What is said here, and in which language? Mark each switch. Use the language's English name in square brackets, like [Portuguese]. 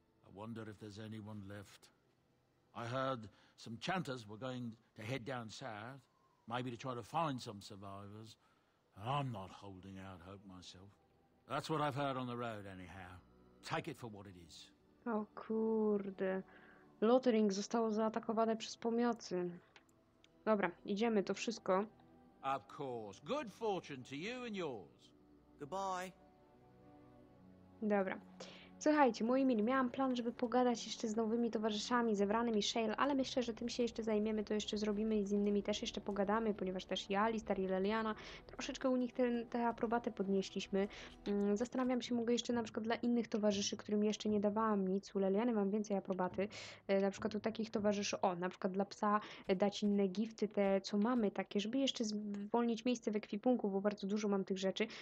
[English] I wonder if there's anyone left. I heard some chanters were going to head down south, maybe to try to find some survivors, and I'm not holding out hope myself. That's what I've heard on the road, anyhow. Take it for what it is. [Polish] O kurde. Lothering zostało zaatakowane przez pomioty. Dobra, idziemy, to wszystko. [English] Of course. Good fortune to you and yours. Goodbye. [Polish] Dobra. Słuchajcie, moi mili, miałam plan, żeby pogadać jeszcze z nowymi towarzyszami, zebranymi Shale, ale myślę, że tym się jeszcze zajmiemy, to jeszcze zrobimy i z innymi też jeszcze pogadamy, ponieważ też i Alistar, i Leliana, troszeczkę u nich te aprobatę podnieśliśmy. Zastanawiam się, mogę jeszcze na przykład dla innych towarzyszy, którym jeszcze nie dawałam nic, u Leliany mam więcej aprobaty, na przykład u takich towarzyszy, o, na przykład dla psa dać inne gifty, te co mamy takie, żeby jeszcze zwolnić miejsce w ekwipunku, bo bardzo dużo mam tych rzeczy.